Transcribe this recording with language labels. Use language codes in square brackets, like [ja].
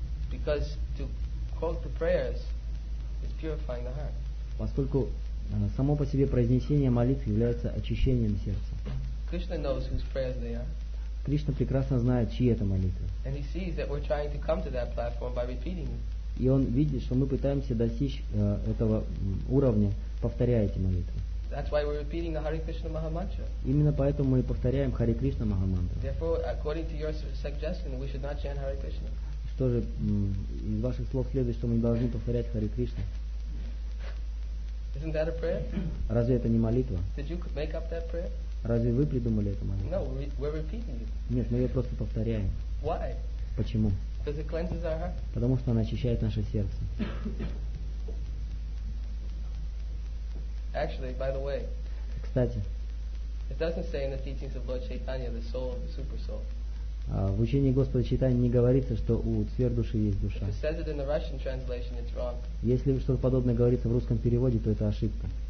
[en] Because to quote the prayers is purifying the heart. [ru] Поскольку само по себе произнесение молитв является очищением сердца. [en] Krishna knows whose prayers they are. [ru] Кришна прекрасно знает, чьи это молитвы. [en] And he sees that we're trying to come to that platform by repeating them. [ru] И он видит, что мы пытаемся достичь этого уровня, повторяя эти молитвы. [en] That's why we're repeating the Hare Krishna Maha Mantra. [ru] Именно поэтому мы повторяем Hare Krishna Maha Mantra. [en] Therefore, according to your suggestion, we should not chant Hare Krishna. [ru] Что же из ваших слов следует, что мы должны повторять Hare Krishna? [en] Isn't that a prayer? [ru] Разве это не молитва? [en] Did you make up that prayer? [ru] Разве вы придумали эту молитву? [en] No, we're repeating it. [ru] Нет, мы ее просто повторяем. [en] Why? [ru] Почему? [en] Because it cleanses our heart. [ru] Потому что она очищает наше сердце. [en] Actually, by the way, [ru] кстати, [en] it doesn't say in the teachings of Lord Chaitanya the soul, the super soul. [ru] В учении Господа Чайтаньи не говорится, что у сверхдуши есть душа. [en] If it says it in the Russian translation, it's wrong. [ru] Если что-то подобное говорится в русском переводе, то это ошибка.